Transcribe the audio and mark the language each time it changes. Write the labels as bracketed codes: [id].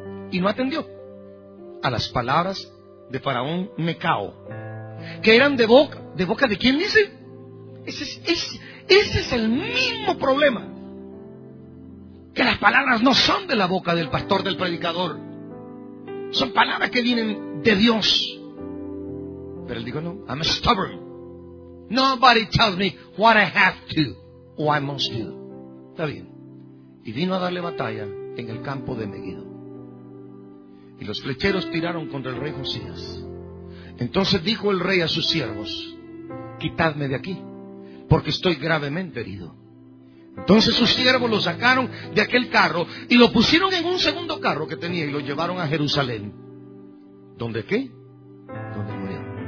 [es] Y no atendió a las palabras de faraón Necao, que eran de boca de quién dice. Ese es el mismo problema. Que las palabras no son de la boca del pastor, del predicador. Son palabras que vienen de Dios. Pero él dijo: no, [en] I'm stubborn. Nobody tells me what I have to or I must do. [es] Está bien. Y vino a darle batalla en el campo de Megiddo. Y los flecheros tiraron contra el rey Josías. Entonces dijo el rey a sus siervos: quitadme de aquí, porque estoy gravemente herido. Entonces sus siervos lo sacaron de aquel carro y lo pusieron en un segundo carro que tenía y lo llevaron a Jerusalén. ¿Dónde qué? Donde murió.